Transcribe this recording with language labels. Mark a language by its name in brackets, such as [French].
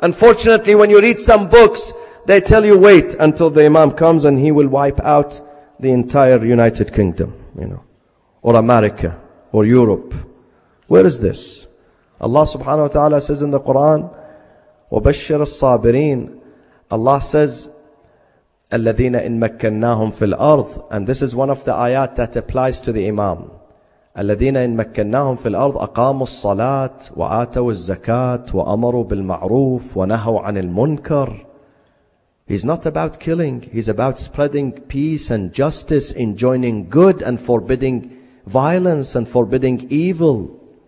[English] Unfortunately, when you read some books, they tell you wait until the Imam comes and he will wipe out the entire United Kingdom, you know, or America, or Europe. Where is this? Allah subhanahu wa ta'ala says in the Quran, [Arabic] وَبَشِّرَ الصَّابِرِينَ. [English] Allah says, [Arabic] الَّذِينَ إِن مَكَّنَّاهُمْ فِي الْأَرْضِ. [English] And this is one of the ayat that applies to the Imam. [Arabic] الَّذِينَ إِن مَكَّنَّاهُمْ فِي الْأَرْضِ أَقَامُوا الصَّلَاةِ وَآتَوُوا الزَّكَاةِ وَأَمَرُوا بِالْمَعْرُوفِ وَنَهَوْا عَنِ الْمُنْكَرِ. [English] He's not about killing. He's about spreading peace and justice, enjoining good and forbidding violence and forbidding evil.